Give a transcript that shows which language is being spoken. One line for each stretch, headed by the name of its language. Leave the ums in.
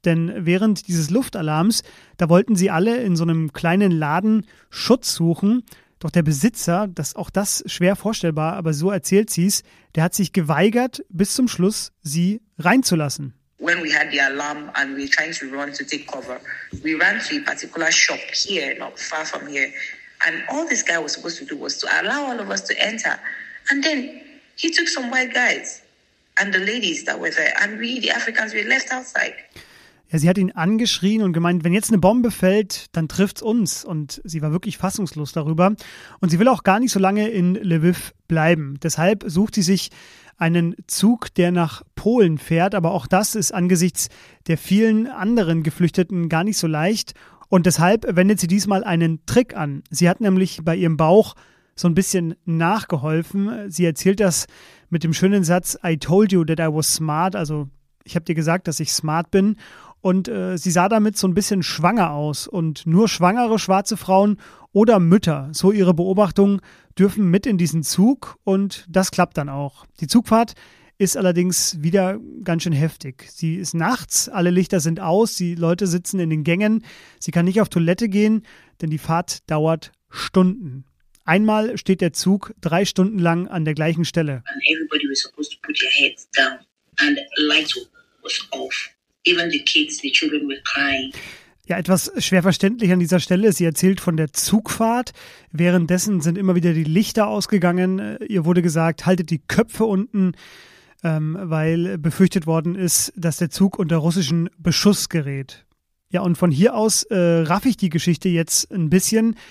German: Denn während dieses Luftalarms, da wollten sie alle in so einem kleinen Laden Schutz suchen. Doch der Besitzer, das auch das schwer vorstellbar, aber so erzählt sie es, der hat sich geweigert, bis zum Schluss sie reinzulassen.
English: When we had the alarm and we were trying to run to take cover, we ran to a particular shop here, not far from here. And all this guy was supposed to do was to allow all of us to enter. And then he took some white guys and the ladies that were there. And we, the Africans, were left outside.
German: Ja, sie hat ihn angeschrien und gemeint, wenn jetzt eine Bombe fällt, dann trifft's uns. Und sie war wirklich fassungslos darüber. Und sie will auch gar nicht so lange in Lviv bleiben. Deshalb sucht sie sich einen Zug, der nach Polen fährt. Aber auch das ist angesichts der vielen anderen Geflüchteten gar nicht so leicht. Und deshalb wendet sie diesmal einen Trick an. Sie hat nämlich bei ihrem Bauch so ein bisschen nachgeholfen. Sie erzählt das mit dem schönen Satz,
English: I told you that I was smart,
German: also ich habe dir gesagt, dass ich smart bin. Und äh, sie sah damit so ein bisschen schwanger aus. Und nur schwangere schwarze Frauen oder Mütter, so ihre Beobachtungen, dürfen mit in diesen Zug. Und das klappt dann auch. Die Zugfahrt ist allerdings wieder ganz schön heftig. Sie ist nachts, alle Lichter sind aus, die Leute sitzen in den Gängen. Sie kann nicht auf Toilette gehen, denn die Fahrt dauert Stunden. Einmal steht der Zug drei Stunden lang an der gleichen Stelle.
English: And everybody was supposed to put their heads down and light was off. Even the kids, the children were crying.
German: Ja, etwas schwer verständlich an dieser Stelle. Sie erzählt von der Zugfahrt. Währenddessen sind immer wieder die Lichter ausgegangen. Ihr wurde gesagt, haltet die Köpfe unten, ähm, weil befürchtet worden ist, dass der Zug unter russischen Beschuss gerät. Ja, und von hier aus äh, raff ich die Geschichte jetzt ein bisschen.